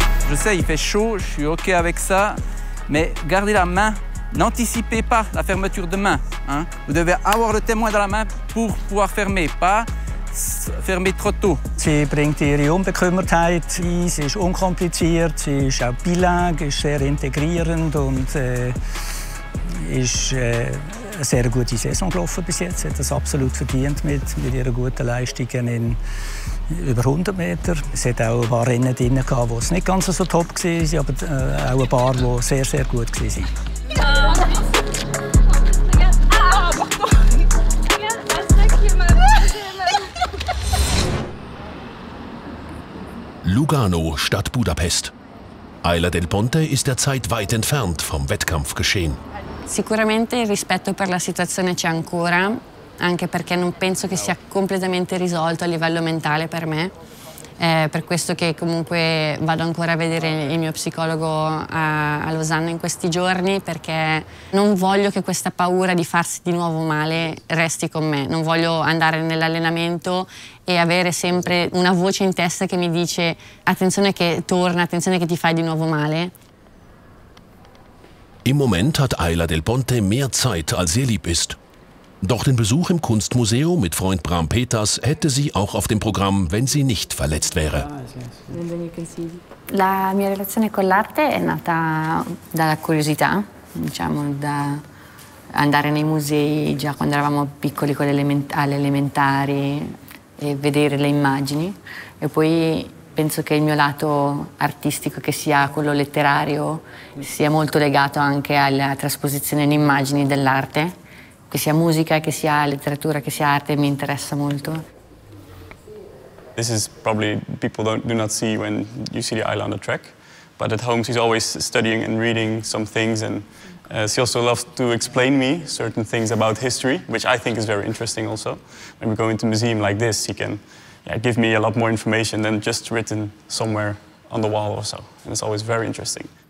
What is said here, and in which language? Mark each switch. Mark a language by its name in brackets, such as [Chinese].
[French] Je sais, il fait chaud, je suis OK avec ça. Mais gardez la main. N'anticipez pas la fermeture de main. Hein. Vous devez avoir le témoin dans la main pour pouvoir fermer. Pas fermer trop tôt. [German] Sie bringt ihre Unbekümmertheit ein. Sie ist unkompliziert. Sie ist auch bilingue, sehr integrierend und ist eine sehr gute Saison gelaufen bis jetzt. Sie hat das absolut verdient mit ihren guten Leistungen in über 100 Meter. Sie hat auch ein paar Rennen drin, die nicht ganz so top waren, aber auch ein paar, die sehr, sehr gut waren. Lugano statt Budapest. Ayla Del Ponte ist derzeit weit entfernt vom Wettkampfgeschehen. [Italian] Sicuramente il rispetto per la situazione c'è ancora, anche perché non penso che sia completamente risolto a livello mentale per me. Per questo che comunque vado ancora a vedere il mio psicologo a Losanna in questi giorni, perché non voglio che questa paura di farsi di nuovo male resti con me. Non voglio andare nell'allenamento e avere sempre una voce in testa che mi dice attenzione che torna, attenzione che ti fai di nuovo male. [German] Im Moment hat Ayla Del Ponte mehr Zeit, als ihr lieb ist. Doch den Besuch im Kunstmuseum mit Freund Bram Peters hätte sie auch auf dem Programm, wenn sie nicht verletzt wäre. [Italian] La mia relazione con l'arte è nata dalla curiosità, diciamo, da andare nei musei già quando eravamo piccoli con alle elementari e vedere le immagini. E poi penso che il mio lato artistico, che sia quello letterario, sia molto legato anche alla trasposizione in immagini dell'arte. Che sia musica, che sia letteratura, che sia arte, mi interessa molto. [English] This is probably people do not see when you see the Ayla on the track, but at home she's always studying and reading some things, and she also loves to explain me certain things about history, which I think is very interesting also. When we go into a museum like this, she can give me a lot more information than just written somewhere on the wall or so, and it's always very interesting.